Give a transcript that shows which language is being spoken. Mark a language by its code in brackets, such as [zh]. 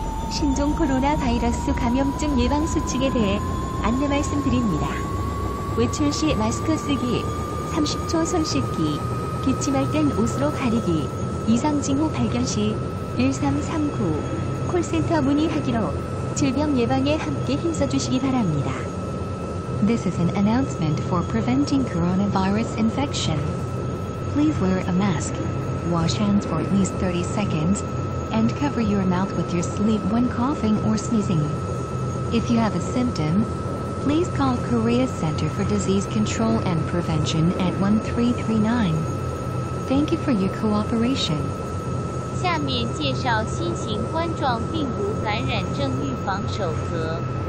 [ko] 신종 코로나 바이러스 감염증 예방 수칙에 대해 안내 말씀드립니다. 외출 시 마스크 쓰기, 30초 손 씻기, 기침할 땐 옷으로 가리기, 이상 징후 발견 시 1339 콜센터 문의하기로 질병 예방에 함께 힘써주시기 바랍니다. [en] This is an announcement for preventing coronavirus infection. Please wear a mask, wash hands for at least 30 seconds, and cover your mouth with your sleeve when coughing or sneezing. If you have a symptom, please call Korea Center for Disease Control and Prevention at 1339. Thank you for your cooperation. [zh] 下面介绍新型冠状病毒感染症预防守则。